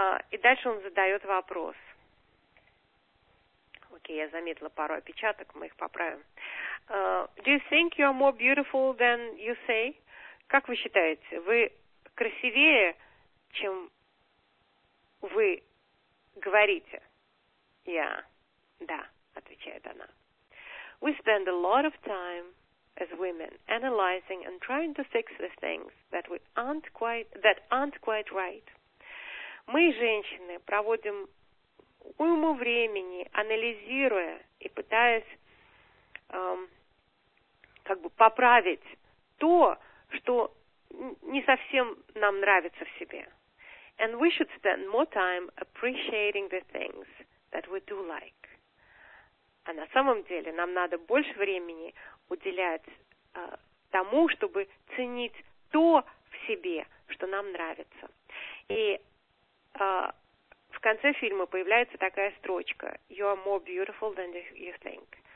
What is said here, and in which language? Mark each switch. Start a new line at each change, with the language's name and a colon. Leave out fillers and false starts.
Russian: И дальше он задает вопрос. Окей, я заметила пару опечаток, мы их поправим.
English: Do you think you are more beautiful than you say?
Russian: Как вы считаете, вы красивее, чем вы говорите? Я. Да, отвечает она.
English: We spend a lot of time as women analyzing and trying to fix the things that we aren't quite right.
Russian: Мы, женщины, проводим уйму времени, анализируя и пытаясь как бы поправить то, что не совсем нам нравится в себе.
English: And we should spend more time appreciating the things that we do like.
Russian: А на самом деле нам надо больше времени уделять тому, чтобы ценить то в себе, что нам нравится. И в конце фильма появляется такая строчка:
English: You are more beautiful than you think.